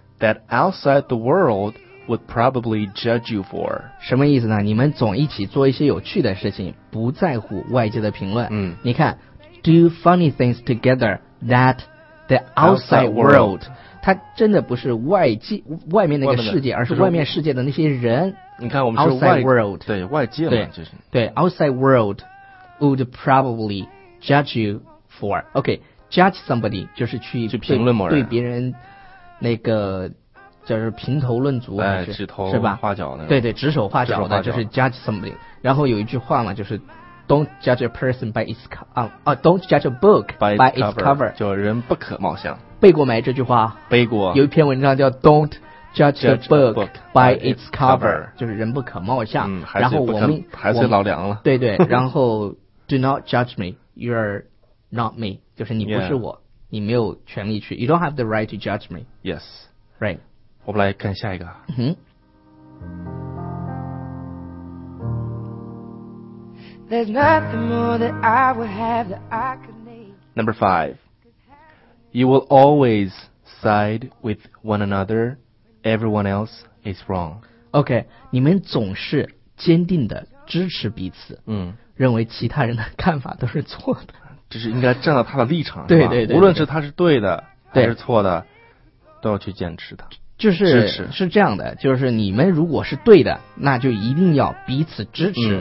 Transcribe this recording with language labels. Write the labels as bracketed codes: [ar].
[en] that outside the world would probably judge you for. [zh] 什么意思呢？你们总一起做一些有趣的事情，不在乎外界的评论。嗯，你看 [en] ，do funny things together that the outside [zh] world， 它真的不是外界外面那个世界，而是外面世界的那些人。你看，我们是外 [en] world， [zh] 对外界嘛，就是 [en] 对 outside world would probably judge you for。 OK， judge somebody 就是 [zh] 去评论某人，对别人那个。就是评头论足还是、哎、指头是吧画脚的对对指手画脚的就是 [en] judge somebody [zh] 然后有一句话嘛就是 [en] don't judge a person by its cover、don't judge a book by its cover [zh] 就人不可貌相背过没这句话背过有一篇文章叫 [en] don't judge a book by its cover [zh] 就是人不可貌相、嗯、然后我们还是老梁了对对然后 [en] do not judge me you're not me [zh] 就是你不是我、 [en] yeah. [zh] 你没有权利去 [en] you don't have the right to judge me yes right [zh] 我们来看下一个、嗯、 [en] There's nothing more that I would have that I could need. Number five You will always side with one another Everyone else is wrong [zh] OK 你们总是坚定的支持彼此、嗯、认为其他人的看法都是错的就是应该站到他的立场对对 对, 对无论是他是对的还是错的都要去坚持的就是是这样的就是你们如果是对的那就一定要彼此支持、